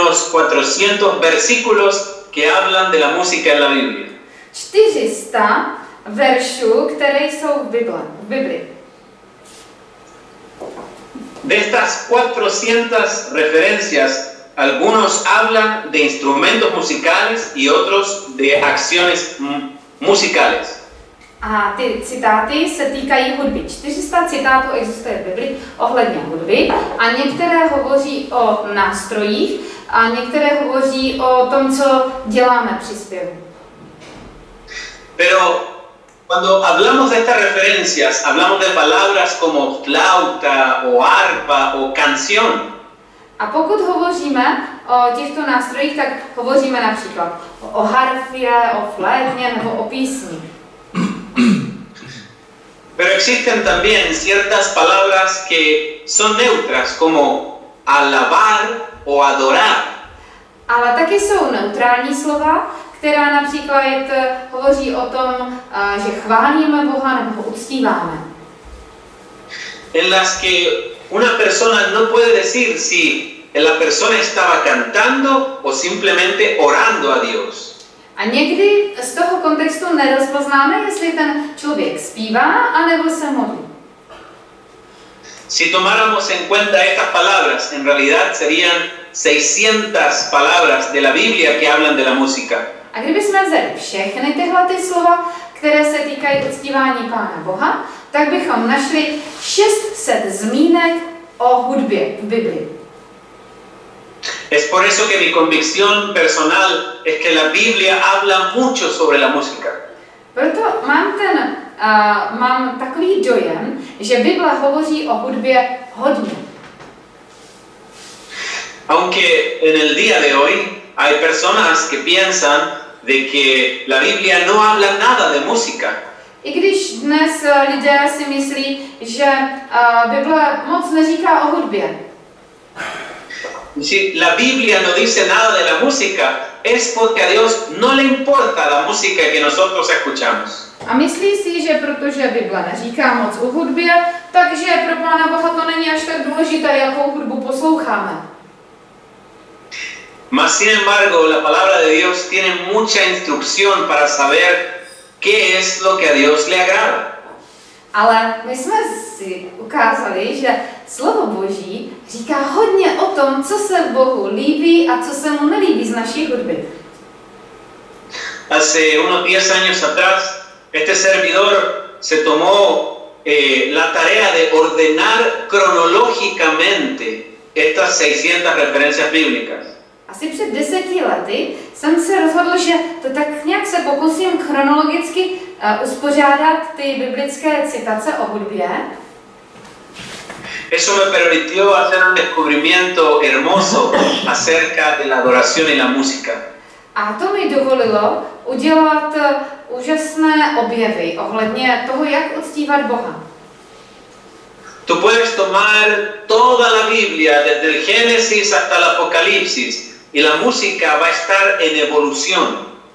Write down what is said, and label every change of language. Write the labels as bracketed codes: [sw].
[es] 400 versículos que hablan de la música en la Biblia. [cs] 400 veršů, které jsou v Biblii. [es] De estas 400 referencias, algunos hablan de instrumentos musicales y otros de acciones musicales. [cs] A ty citáty se týkají hudby. 400 citátů existuje v Biblii ohledně hudby a některé hovoří o nástrojích a některé hovoří o tom, co děláme při zpěvu. [es] Pero cuando hablamos de estas referencias, hablamos de palabras como flauta o arpa o canción. [cs] A pokud hovoříme o těchto nástrojích, tak hovoříme například o harfě, o flétně nebo o písni. [es] Pero existen también ciertas palabras que son neutras, como alabar o adorar. [cs] Ale taky jsou neutrální slova, která například hovoří o tom, že chválíme Boha nebo ho uctíváme. [es] En las que una persona no puede decir si la persona estaba cantando o simplemente orando a Dios. [cs] A někdy z toho kontextu nerozpoznáme, jestli ten člověk zpívá, anebo se modlí. [es] Si tomáramos en cuenta estas palabras, en realidad serían 600 palabras de la Biblia que hablan de la música. [cs] A kdybychom vzali všechny tyhle ty slova, které se týkají uctívání Pána Boha, tak bychom našli 600 zmínek o hudbě v Biblii. [es] Es por eso que mi convicción personal es que la Biblia habla mucho sobre la música. [cs] Proto mám takový dojem, že Bible hovoří o hudbě hodně. [es] Aunque en el día de hoy hay personas que piensan de que la Biblia no habla nada de música. [cs] I když dnes lidé si myslí, že Bible moc neříká o hudbě. [es] Si la Biblia no dice nada de la música, es porque a Dios no le importa la música que nosotros escuchamos. [cs] A myslí si, že protože Bible neříká moc o hudbě, takže pro Pána Boha to není až tak důležité, jakou hudbu posloucháme. [es] Mas sin embargo, la palabra de Dios tiene mucha instrucción para saber qué es lo que a Dios le agrada. [cs] Ale my jsme si ukázali, že slovo Boží říká hodně o tom, co se Bohu líbí a co se mu nelíbí z naší hudby. [es] Hace unos 10 años atrás este servidor se tomó la tarea de ordenar cronológicamente estas 600 referencias bíblicas. [cs] Asi před 10 lety jsem se rozhodl, že to tak nějak se pokusím chronologicky uspořádat ty biblické citace o hudbě. [es] Eso me permitió hacer un descubrimiento hermoso acerca de la adoración y la música. [cs] A to mi dovolilo udělat úžasné objevy ohledně toho, jak uctívat Boha. [es] Tú puedes tomar toda la Biblia desde el Génesis hasta el Apocalipsis y la música va a estar en evolución.